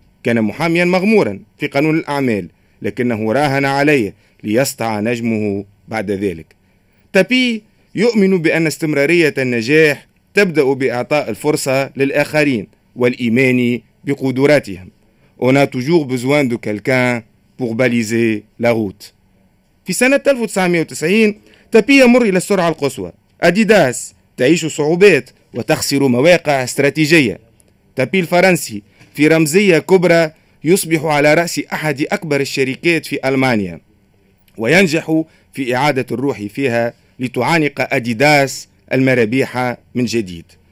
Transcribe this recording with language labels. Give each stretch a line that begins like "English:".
Arabic: كان محاميا مغمورا في قانون الأعمال، لكنه راهن عليه ليسطع نجمه بعد ذلك. تابي يؤمن بأن استمرارية النجاح تبدأ بإعطاء الفرصة للآخرين والإيمان بقدراتهم.
French: On a toujours besoin de quelqu'un pour baliser la route.
Arabic: في سنة 1990 تابي يمر إلى السرعة القصوى. أديداس تعيش صعوبات وتخسر مواقع استراتيجية. تابي الفرنسي في رمزية كبرى يصبح على رأس أحد أكبر الشركات في ألمانيا، وينجح في إعادة الروح فيها لتعانق أديداس المربيحة من جديد.